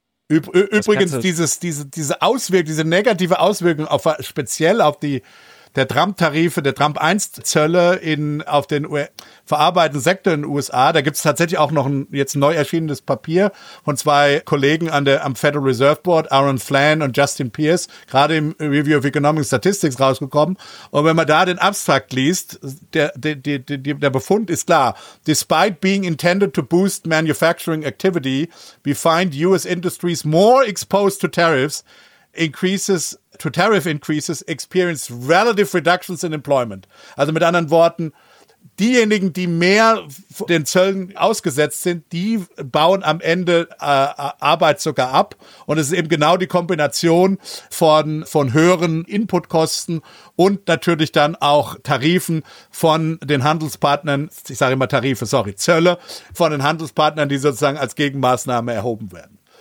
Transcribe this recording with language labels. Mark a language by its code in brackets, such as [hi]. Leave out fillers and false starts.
[de] Übrigens, diese Auswirkung, diese negative Auswirkung speziell auf der Trump-Tarife, der Trump-1-Zölle auf den verarbeitenden Sektor in den USA, da gibt es tatsächlich auch noch jetzt neu erschienenes Papier von zwei Kollegen am Federal Reserve Board, Aaron Flan und Justin Pierce, gerade im Review of Economic Statistics rausgekommen. Und wenn man da den Abstract liest, der Befund ist klar. [en] Despite being intended to boost manufacturing activity, we find US industries more exposed to tariff increases experience relative reductions in employment. [de] Also mit anderen Worten, diejenigen, die mehr den Zöllen ausgesetzt sind, die bauen am Ende Arbeit sogar ab. Und es ist eben genau die Kombination von höheren Inputkosten und natürlich dann auch Tarifen von den Handelspartnern, Zölle von den Handelspartnern, die sozusagen als Gegenmaßnahme erhoben werden.